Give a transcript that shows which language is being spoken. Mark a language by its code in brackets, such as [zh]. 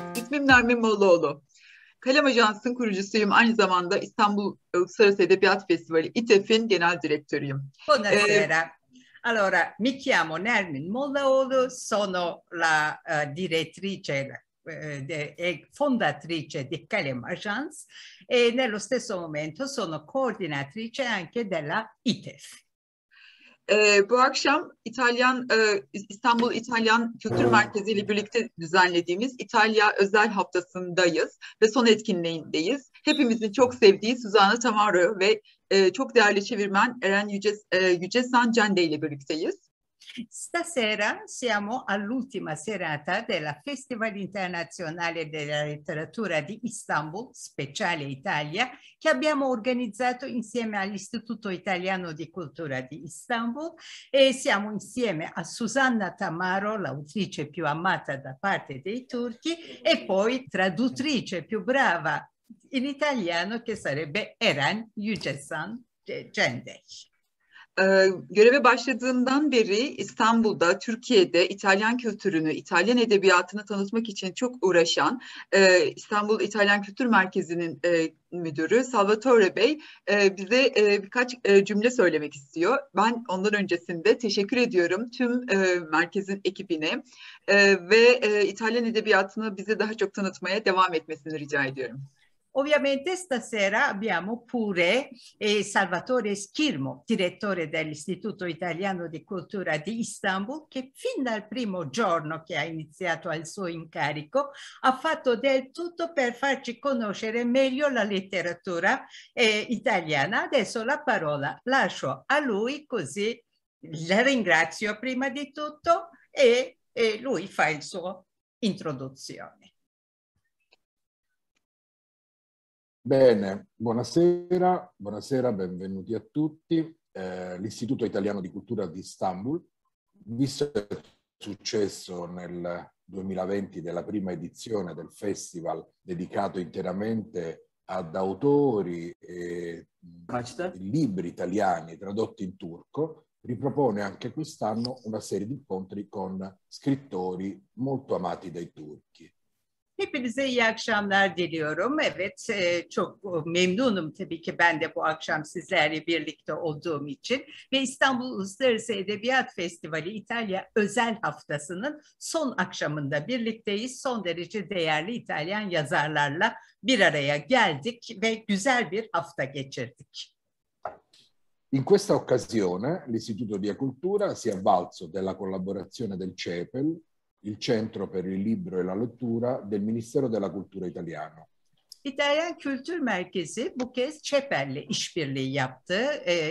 [tr] İsmim Nermin Moğluoğlu. Kalem Ajansı'nın kurucusuyum. Aynı zamanda İstanbul Uluslararası Edebiyat Festivali İTEF'in genel direktörüyüm. [it] Buonasera. Allora, mi chiamo Nermin Moğluoğlu. Sono la direttrice e fondatrice di Kalem Ajans e nello stesso momento sono coordinatrice anche della ITEF. [tr] Bu akşam İstanbul İtalyan Kültür Merkezi ile birlikte düzenlediğimiz İtalya Özel Haftası'ndayız ve son etkinliğindeyiz. Hepimizin çok sevdiği Susanna Tamaro ve çok değerli çevirmen Eren Yücesan Cende ile birlikteyiz. [it] Stasera siamo all'ultima serata della Festival Internazionale della Letteratura di Istanbul, speciale Italia, che abbiamo organizzato insieme all'Istituto Italiano di Cultura di Istanbul e siamo insieme a Susanna Tamaro, l'autrice più amata da parte dei turchi e poi traduttrice più brava in italiano che sarebbe Eren Yücesan Cendek. [tr] Göreve başladığından beri İstanbul'da, Türkiye'de İtalyan kültürünü, İtalyan edebiyatını tanıtmak için çok uğraşan İstanbul İtalyan Kültür Merkezi'nin müdürü Salvatore Bey bize birkaç cümle söylemek istiyor. Ben ondan öncesinde teşekkür ediyorum tüm merkezin ekibine ve İtalyan edebiyatını bize daha çok tanıtmaya devam etmesini rica ediyorum. [it] Ovviamente stasera abbiamo pure Salvatore Schirmo, direttore dell'Istituto Italiano di Cultura di Istanbul, che fin dal primo giorno che ha iniziato al suo incarico ha fatto del tutto per farci conoscere meglio la letteratura italiana. Adesso la parola lascio a lui, così la ringrazio prima di tutto e lui fa il suo introduzione. Bene, buonasera, buonasera, benvenuti a tutti. L'Istituto Italiano di Cultura di Istanbul, visto il successo nel 2020 della prima edizione del festival dedicato interamente ad autori e libri italiani tradotti in turco, ripropone anche quest'anno una serie di incontri con scrittori molto amati dai turchi. [tr] Hepinize iyi akşamlar diliyorum. Evet, çok memnunum tabii ki ben de bu akşam sizlerle birlikte olduğum için. Ve İstanbul Uluslararası Edebiyat Festivali İtalya Özel Haftası'nın son akşamında birlikteyiz. Son derece değerli İtalyan yazarlarla bir araya geldik ve güzel bir hafta geçirdik. [it] In questa occasione l'Istituto di Cultura si è avvalso della collaborazione del CEPEL, il Centro per il Libro e la Lettura del Ministero della Cultura Italiano. [tr] İtalyan Kültür Merkezi bu kez ÇEPEL'le işbirliği yaptı.